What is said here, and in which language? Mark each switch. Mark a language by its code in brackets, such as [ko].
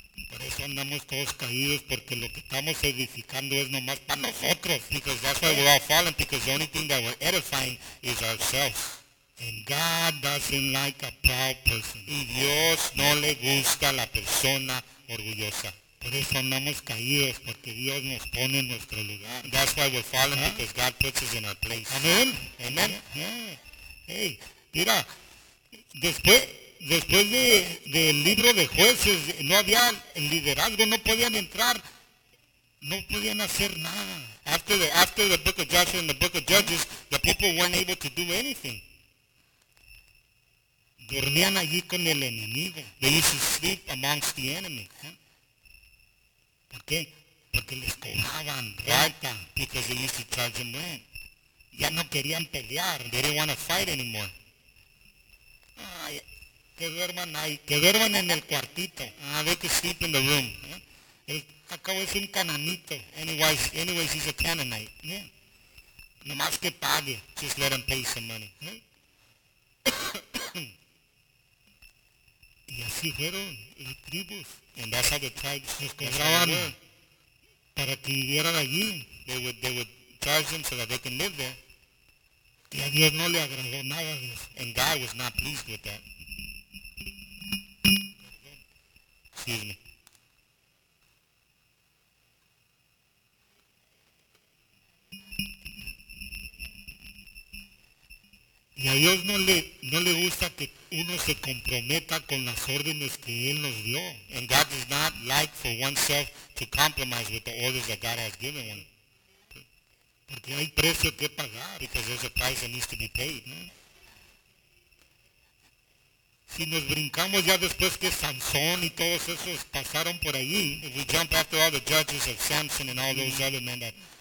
[es] Por eso andamos todos caídos, porque lo que estamos edificando es nomás para nosotros. [en] Because that's why we're all fallen, because the only thing that we're edifying is ourselves. And God doesn't like a proud person. [es] Y Dios no le gusta la persona orgullosa. Por eso andamos caídos, porque Dios nos pone en nuestro lugar. [en] That's why we're fallen, because God puts us in our place. Amen. Amen. [es] Hey, mira, después del libro de jueces, no había liderazgo, no podían entrar, no podían hacer nada. [en] After the book of Joshua and the book of Judges, the people weren't able to do anything. [es] Dormían allí con el enemigo. [en] They used to sleep amongst the enemy. [es] ¿Por qué? Porque les cobraban [en] renta. Because they used to charge them rent. [es] Ya no querían pelear. [en] They didn't want to fight anymore. [es] Ay, que duerman ahí. Que duerman en el cuartito. [en] They could sleep in the room. [es] El, Acabo es un cananito. [en] Anyways, he's a Canaanite. Yeah. [es] Nomás que pague. [en] Just let him pay some money. [es] Y así fueron las tribus. [en] And that's how the tribes [es] los cobraban para que vivieran allí. [en] They would charge them so that they can live there. [es] Y a Dios no le agradó nada de eso. [en] And God was not pleased with that. Excuse me. [es] Y a Dios no le gusta que uno se comprometa con las órdenes que Él nos dio. [en] And God does not like for oneself to compromise with the orders that God has given one. [es] Porque hay precio que pagar. [en] Because there's a price that needs to be paid. [es] Si nos brincamos ya después que Sansón y todos esos pasaron por ahí. [en] If we jump after all the judges of Samson and all those other men that...